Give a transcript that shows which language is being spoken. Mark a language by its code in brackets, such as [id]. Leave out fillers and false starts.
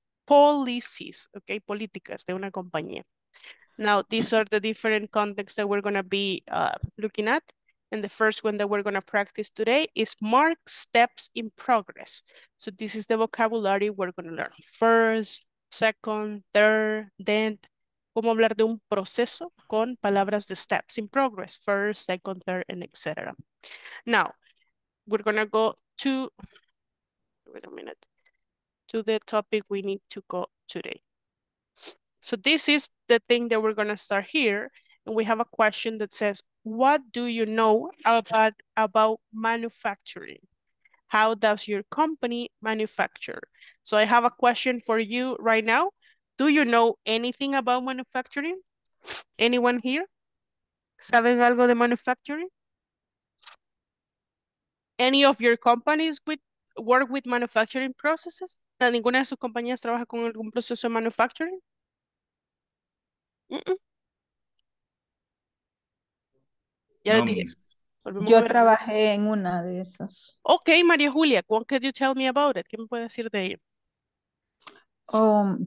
[es] Policies, okay, políticas de una compañía. [en] Now, these are the different contexts that we're gonna be looking at. And the first one that we're going to practice today is mark steps in progress. So this is the vocabulary we're going to learn. First, second, third, then. [es] ¿Cómo hablar de un proceso con palabras de [en] steps in progress? First, second, third, and etc. Now, we're going to go to, wait a minute, to the topic we need to go today. So this is the thing that we're going to start here. And we have a question that says, what do you know about manufacturing? How does your company manufacture? So I have a question for you right now. Do you know anything about manufacturing? Anyone here? [es] ¿Saben algo de manufacturing? [en] Any of your companies work with manufacturing processes? [es] ¿Ninguna de sus compañías trabaja con algún proceso de manufacturing? Mm-mm. Ya no, dije. Yo trabajé en una de esas. [en] Ok, María Julia, what could you tell me about it? [es] ¿Qué me puede decir de ella?